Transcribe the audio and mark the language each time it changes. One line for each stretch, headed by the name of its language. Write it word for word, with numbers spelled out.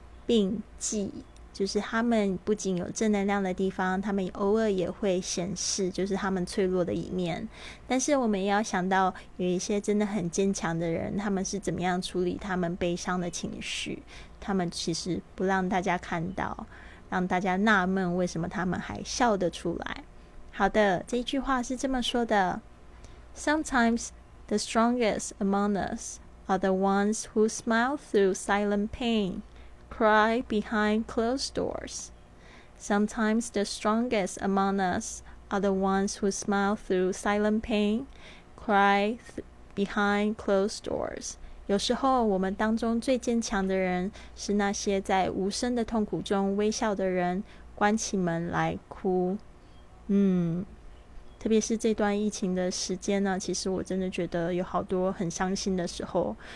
Chinese: 并济，就是他们不仅有正能量的地方，他们偶尔也会显示就是他们脆弱的一面，但是我们也要想到有一些真的很坚强的人，他们是怎么样处理他们悲伤的情绪，他们其实不让大家看到，让大家纳闷为什么他们还笑得出来。好的，这一句话是这么说的
English: Sometimes the strongest among us are the ones who smile through silent pain. Cry behind closed doors. Sometimes the strongest among us are the ones who smile through silent pain, cry th- behind closed doors.
Chinese: 有时候我们当中最坚强的人是那些在无声的痛苦中微笑的人，关起门来哭。嗯，特别是这段疫情的时间呢，其实我真的觉得有好多很伤心的时候。